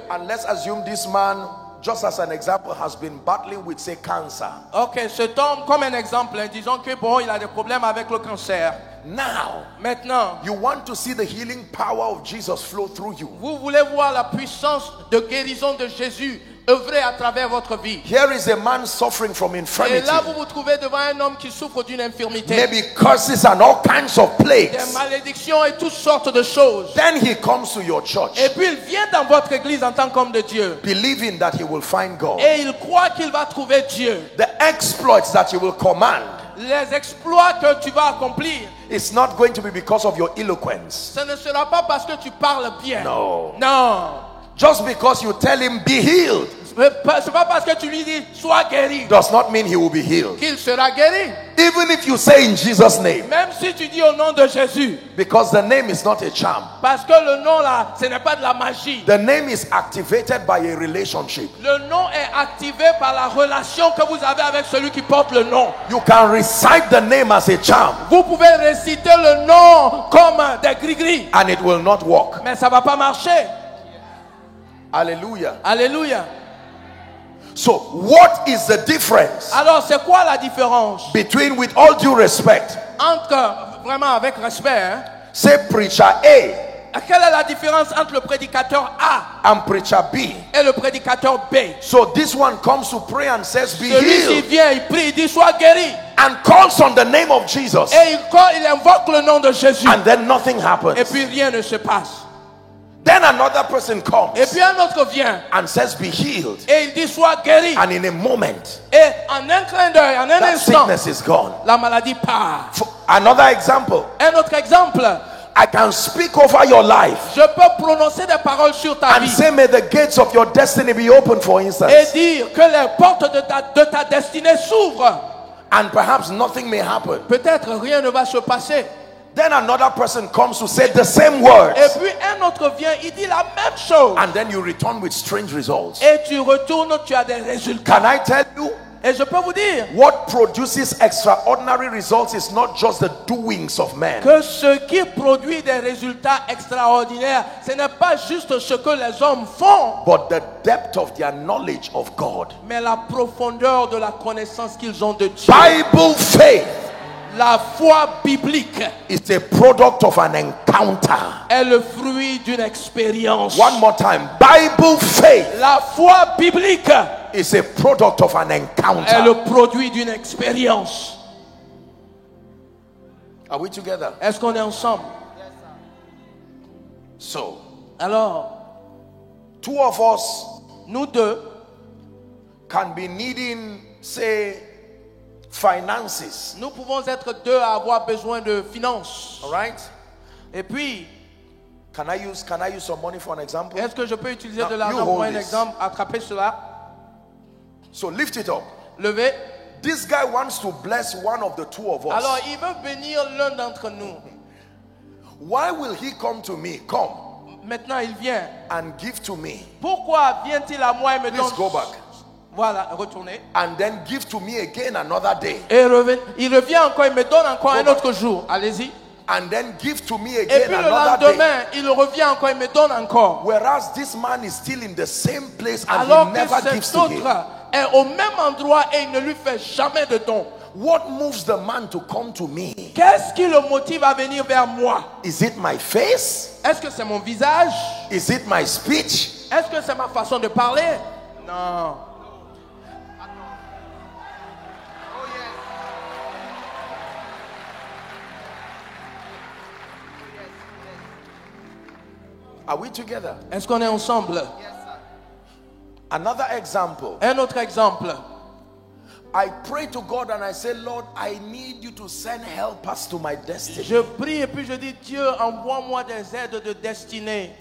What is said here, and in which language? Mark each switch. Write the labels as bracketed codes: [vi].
[en] And let's assume this man, just as an example, has been battling with, say, cancer. [fr] Okay, cet homme, comme un exemple, disons que bon, il a des problèmes avec le cancer. [en] Now, [fr] maintenant, [en] you want to see the healing power of Jesus flow through you. [fr] Vous voulez voir la puissance de guérison de Jésus œuvrer à travers votre vie. [en] Here is a man suffering from infirmity. [fr] Et là, vous vous trouvez devant un homme qui souffre d'une infirmité. [en] Maybe curses and all kinds of plagues. [fr] Des malédictions et toutes sortes de choses. [en] Then he comes to your church. [fr] Et puis il vient dans votre église en tant qu'homme de Dieu. [en] Believing that he will find God. [fr] Et il croit qu'il va trouver Dieu. [en] The exploits that he will command. [fr] Les exploits que tu vas accomplir. [en] It's not going to be because of your eloquence. [fr] Ce ne sera pas parce que tu parles bien. [en] No. [fr] Non. [en] Just because you tell him be healed, [fr] c'est pas parce que tu lui dis sois guéri, [en] does not mean he will be healed. [fr] Qu'il sera guéri. [en] Even if you say in Jesus' name, [fr] même si tu dis au nom de Jésus, [en] because the name is not a charm. [fr] Parce que le nom là, ce n'est pas de la magie. [en] The name is activated by a relationship. [fr] Le nom est activé par la relation que vous avez avec celui qui porte le nom. [en] You can recite the name as a charm. [fr] Vous pouvez réciter le nom comme des gris-gris. [en] And it will not work. [fr] Mais ça va pas marcher. Alléluia. Alléluia. [en] So, what is the difference? [fr] Alors, c'est quoi la différence? [en] Between, with all due respect. [fr] Entre, vraiment avec respect. C'est [en] preacher A. [fr] Quelle est la différence entre le prédicateur A [en] and preacher B? [fr] Et le prédicateur B. [en] So this one comes to pray and says, be [fr] celui [en] healed. [fr] Celui-ci vient, il prie, il dit, sois guéri. [en] And calls on the name of Jesus. [fr] Et il invoque le nom de Jésus. [en] And then nothing happens. [fr] Et puis rien ne se passe. [en] Then another person comes. [fr] Et puis un autre vient. [en] And says, be healed. [fr] Et il dit, sois guéri. [en] And in a moment. [fr] Et en un clin d'œil, en un [en] instant. That sickness is gone. [fr] La maladie part. [en] Another example. [fr] Un autre exemple. [en] I can speak over your life. [fr] Je peux prononcer des paroles sur ta [en] and [fr] vie. [en] And say, may the gates of your destiny be open, for instance. [fr] Et dire que les portes de ta destinée s'ouvrent. [en] And perhaps nothing may happen. [fr] Peut-être rien ne va se passer. [en] Then another person comes to say the same words. [fr] Et puis un autre vient, il dit la même chose. [en] And then you return with strange results. [fr] Et tu retournes, tu as des résultats. [en] Can I tell you? [fr] Et je peux vous dire, [en] what produces extraordinary results is not just the doings of men. [fr] Que ce qui produit des résultats extraordinaires, ce n'est pas juste ce que les hommes font. [en] But the depth of their knowledge of God. [fr] Mais la profondeur de la connaissance qu'ils ont de Dieu. [en] Bible faith. [fr] La foi biblique [en] is a product of an encounter. [fr] Est le fruit d'une expérience. [en] One more time. Bible faith. [fr] La foi biblique [en] is a product of an encounter. [fr] Est le produit d'une expérience. [en] Are we together? [fr] Est-ce qu'on est ensemble? [en] So, [fr] alors, [en] two of us, [fr] nous deux, [en] can be needing, say, finances. [fr] Nous pouvons être deux à avoir besoin de finances. [en] All right? [fr] Et puis, [en] can I use some money for an example? [fr] Est-ce que je peux utiliser de l'argent pour un exemple, attraper cela? [en] So lift it up. [fr] Levez. [en] This guy wants to bless one of the two of us. [fr] Alors, il veut bénir l'un d'entre nous. [en] Why will he come to me? Come. [fr] Maintenant, il vient. [en] And give to me. [fr] Pourquoi vient-il à moi et me donne? [en] Please go back. [fr] Voilà, retournez. [en] And then give to me again another day. [fr] Et il revient encore, il me donne encore [en] go [fr] un autre [en] back. [fr] Jour. Allez-y. [en] And then give to me again [fr] et puis [en] another [fr] le lendemain, Il revient encore, il me donne encore. [en] Whereas this man is still in the same place and [fr] alors [en] he never gives to him. [fr] Est au même endroit et il ne lui fait jamais de don. [en] What moves the man to come to me? [fr] Qu'est-ce qui le motive à venir vers moi? [en] Is it my face? [fr] Est-ce que c'est mon visage? [en] Is it my speech? [fr] Est-ce que c'est ma façon de parler? Non. [en] Are we together? [fr] Est-ce qu'on est ensemble? [en] Another example. [fr] Un autre exemple. [en] I pray to God and I say, Lord, I need you to send helpers to my destiny. [fr] Je prie et puis je dis, Dieu, envoie-moi des aides de destinée.